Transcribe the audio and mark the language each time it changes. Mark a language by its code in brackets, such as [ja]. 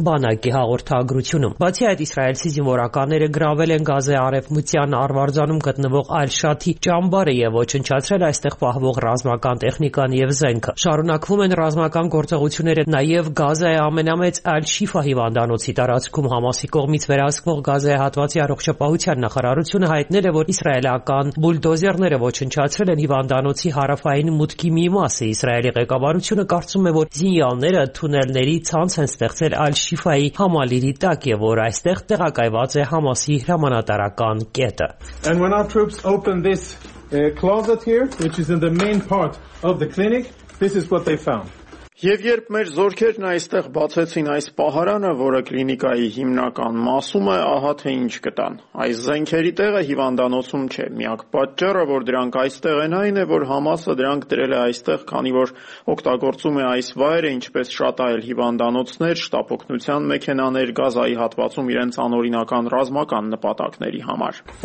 [hy] բանակի հաղորդագրությունում։ Բացի այդ, իսրայելցի զինվորականները գրավել են Գազայի արևմտյան արվարձանում գտնվող Ալ-Շաթի ճամբարը և ոչնչացրել այստեղ պահվող ռազմական տեխնիկան և զենքը։ Շարունակվում են ռազմական գործողությունները նաև Գազայի ամենամեծ Ալ-Շիֆա հիվանդանոցի տարածքում։ Համասի կողմից վերահսկվող Գազայի հատվածի առողջապահության նախարարությունը հայտնել է, որ իսրայելական բուլդոզերները ոչնչացրել են հիվանդանոցի հարավային մուտքի մի մասը։ Իսրայելի ղեկավարությունը կարծում է, որ զինյալները թունելների ցանց են ստեղծել Ալ-Շիֆայի համալիրի տակ և որ այստեղ տեղակայված է Համասի հրամանատարական կետը։ [en] And when our troops opened this closet here, which is in the main part of the clinic, this is what they found. [hy] Եվ երբ մեր զորքերն այստեղ բացեցին այս պահարանը, որը կլինիկայի հիմնական մասում է, ահա թե ինչ կտան։ Այս զենքերի տեղը հիվանդանոցում չէ, միակ պատճառը, որ դրանք այստեղ են, այն է, որ Համասը դրանք դրել է այստեղ, քանի որ օգտագործում է այս վայրը, ինչպես շատ այլ հիվանդանոցներ, շտապօգնության մեքենաներ Գազայի հատվածում իրենց անօրինական ռազմական նպատակների համար։